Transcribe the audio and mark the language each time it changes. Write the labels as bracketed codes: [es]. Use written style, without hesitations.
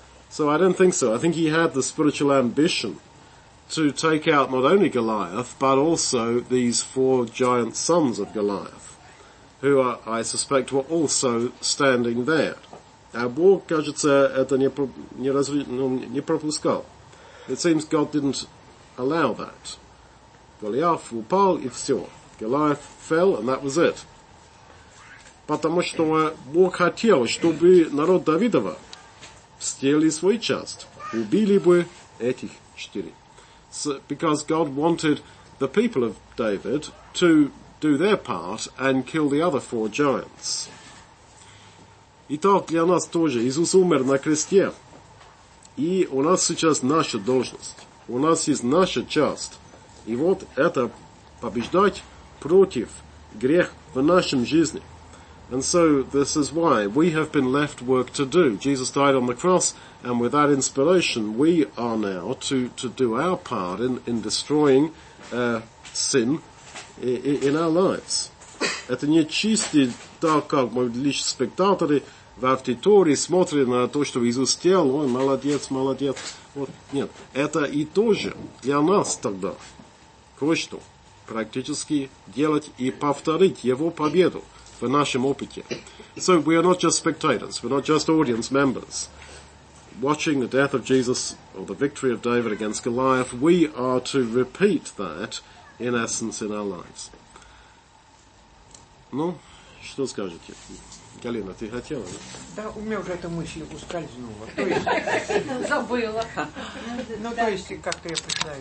[en] So I don't think so. I think he had the spiritual ambition to take out not only Goliath, but also these four giant sons of Goliath, who are, I suspect were also standing there. [ru] А Бог, кажется, это не пропускал. [en] It seems God didn't allow that. [ru] Голиаф упал, и все. [en] Голиаф fell, and that was it. [ru] Потому что Бог хотел, чтобы народ Давидова стели свой част, убили бы этих четыре. [en] So, because God wanted the people of David to do their part and kill the other four giants. [ru] Итак, для нас тоже. Иисус умер на кресте. И у нас сейчас наша должность. У нас есть наша часть. И вот это побеждать против грех в нашем жизни. [en] And so this is why we have been left work to do. Jesus died on the cross, and with that inspiration, we are now to do our part in destroying sin in our lives. [ru] Это не чисто так, как мы лишь спектаторы, в аудитории смотрим на то, что Иисус сделал, ой, молодец, молодец. Вот. Нет, это и тоже для нас тогда кое-что практически делать и повторить Его победу в нашем опыте. [en] So we are not just spectators, we're not just audience members. Watching the death of Jesus or the victory of David against Goliath, we are to repeat that in essence in our lives. [ru] Ну, что скажете? Галина, ты хотела? Да, у меня уже эта мысль ускользнула. То есть, забыла. Ну, то есть, как-то я представила.